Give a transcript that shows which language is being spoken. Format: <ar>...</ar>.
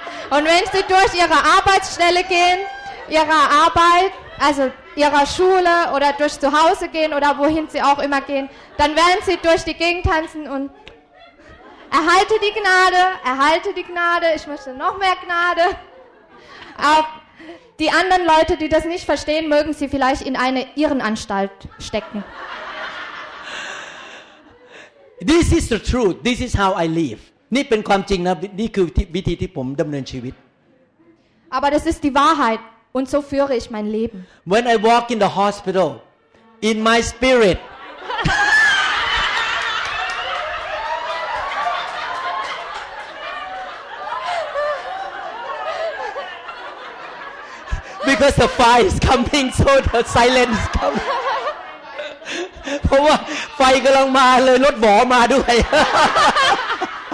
<de>Und wenn Sie durch Ihre Arbeitsstelle gehen, Ihre Arbeit, also Ihre Schule oder durch zu Hause gehen oder wohin Sie auch immer gehen, dann werden Sie durch die Gegend tanzen und erhalte die Gnade, erhalte die Gnade, ich möchte noch mehr Gnade. Auch die anderen Leute, die das nicht verstehen, mögen Sie vielleicht in eine Irrenanstalt stecken.</de> <en>This is the truth. This is how I live.</en> <th>นี่เป็นความจริงนะนี่คือวิธีที่ผมดำเนินชีวิต</th> <de>Aber das ist die Wahrheit Und so führe ich mein Leben.</de> <en>When I walk in the hospital, in my spirit. Because the fire is coming, so the silence is coming. Because the fire is coming, so the silence is coming.</en>